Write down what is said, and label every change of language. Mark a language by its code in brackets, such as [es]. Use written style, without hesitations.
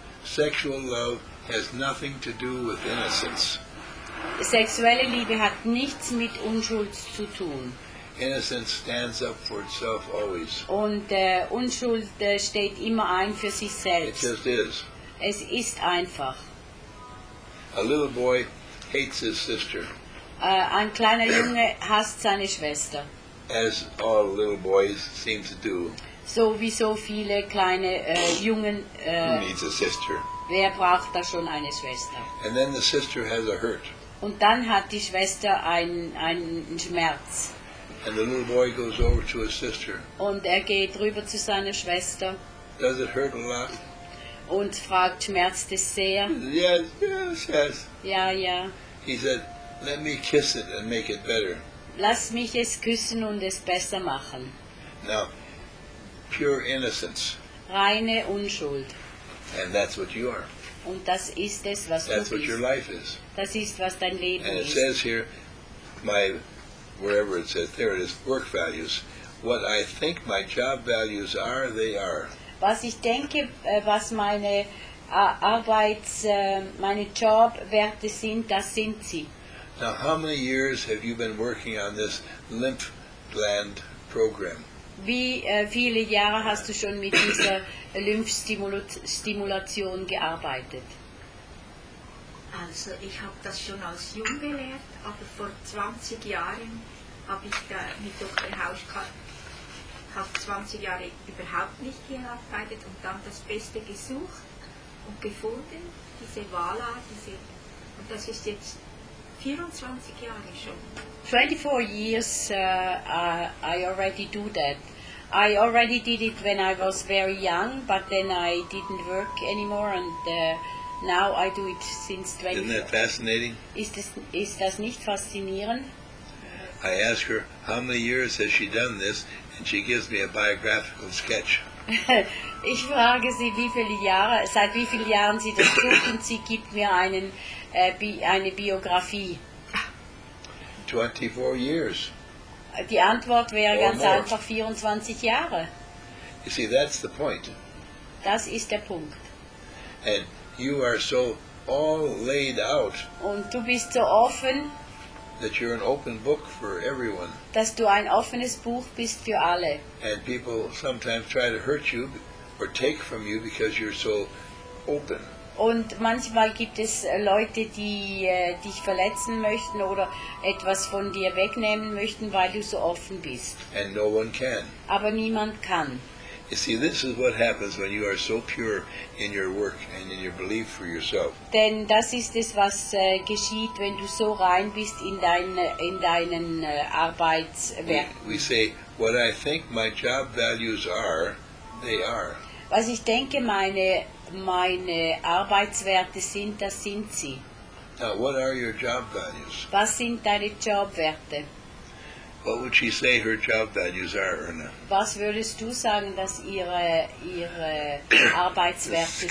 [en] Sexual love has nothing to do with innocence. [de] Sexuelle Liebe hat nichts mit Unschuld zu tun. [en] Innocence stands up for itself always. [de] Und Unschuld steht immer ein für sich selbst. [en] It just is. [de] Es ist einfach. [en] A little boy hates his sister. [de] Ein kleiner Junge hasst seine Schwester. [en] As all little boys seem to do. [de] So wie so viele kleine Jungen. [en] Who needs a sister? [de] Wer braucht da schon eine Schwester? [en] And then the sister has a hurt. [de] Und dann hat die Schwester einen Schmerz. [en] And the little boy goes over to his sister. [de] Und geht rüber zu seiner Schwester. [en] Does it hurt a lot? [de] Und fragt, schmerzt es sehr? [en] Yes, yes, yes. [de] Ja, ja. [en] He said, let me kiss it and make it better. [de] Lass mich es küssen und es besser machen. [en] Now, pure innocence. [de] Reine Unschuld. [en] And that's what you are. [de] Und das ist es, was [en] that's [de] du [en] what [de] bist. [en] Your life is. [de] Das ist, was dein Leben [en] and [de] ist. [en] It says here, my wherever it says, there it is, work values. What I think my job values are, they are. [de] Was ich denke, was meine Arbeits, meine Jobwerte sind, das sind sie. [en] Now, how many years have you been working on this lymph gland program? [de] Wie viele Jahre hast du schon mit dieser Lymphstimulation gearbeitet? Also, ich habe das schon als jung gelernt, aber vor 20 Jahren habe ich da mit Dr. Hauschkart, habe 20 Jahre überhaupt nicht gearbeitet und dann das Beste gesucht und gefunden, diese Wala, diese, und das ist jetzt 24 Jahre schon. [en] 24 years I already do that. I already did it when I was very young, but then I didn't work anymore and now I do it since 20. Isn't that fascinating? [de] Ist das nicht faszinierend? [en] I ask her, how many years has she done this? And she gives me a biographical sketch. [de] Ich frage sie, seit wie vielen Jahren sie das tut, und sie gibt mir eine Biografie. [en] 24 years. [de] Die Antwort wäre ganz einfach 24 Jahre. [en] You see, that's the point. [de] Das ist der Punkt. [en] And you are so all laid out. [de] Und du bist so offen. [en] That you're an open book for everyone. [de] Dass du ein offenes Buch bist für alle. [en] And people sometimes try to hurt you or take from you because you're so open. [de] Und manchmal gibt es Leute, die dich verletzen möchten oder etwas von dir wegnehmen möchten, weil du so offen bist. [en] And no one can. [de] Aber niemand kann. [en] You see, this is what happens when you are so pure in your work and in your belief for yourself. [de] Denn das ist es, was geschieht, wenn du so rein bist in deinen Arbeitswerken. [en] We say, what I think my job values are, they are. [de] Was ich denke, meine Arbeitswerte sind, das sind sie. [en] Now, what are your job values? [de] Was sind deine Jobwerte? [en] What would she say her job values are, Erna? [de] Was würdest du sagen, dass ihre Arbeitswerte sind?